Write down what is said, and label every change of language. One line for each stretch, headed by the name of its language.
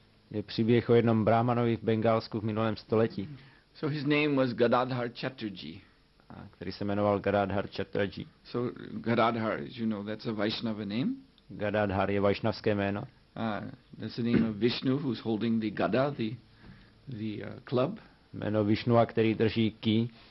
Czech: Je příběh o jednom Brahmanovi v Bengálsku v minulém století.
English: So his name was Gadadhar Chatterjee.
Czech: A který se jmenoval Gadadhar Chatterjee.
English: So Gadadhar, as you know, that's a Vaishnava name.
Czech: Gadadhar je vaishnavské jméno.
English: That's the name of Vishnu, who's holding the gada, the club.
Czech: Jméno Vishnua, který drží ký.